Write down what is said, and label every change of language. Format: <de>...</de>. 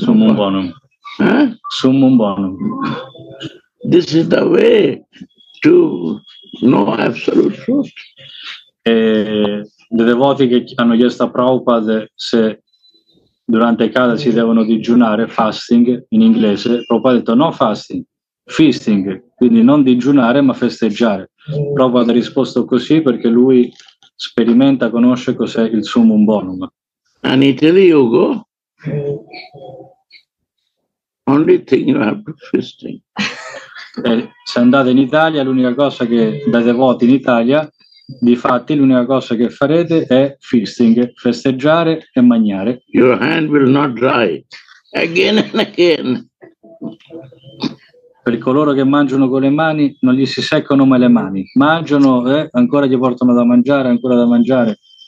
<la>Summum bonum. Summum bonum.</la> <en>This is the way to know absolute truth.</en> <it>I devoti che hanno chiesto a Prabhupada se durante casa si devono digiunare,</it> <en>fasting</en> <it>in inglese, Prabhupada ha detto</it> <en>no fasting, feasting,</en> <it>quindi non digiunare ma festeggiare. Prabhupada ha risposto così perché lui sperimenta, conosce cos'è il summum bonum.</it> <en>In Italy you go, only thing you have to feasting.</en> <it>Se andate in Italia, l'unica cosa che da devoti in Italia, difatti l'unica cosa che farete è feasting, festeggiare e mangiare.</it> <en>Your hand will not dry again and again.</en> <it>Per coloro che mangiano con le mani non gli si seccano mai le mani. Mangiano e ancora gli portano da mangiare, ancora da mangiare.</it>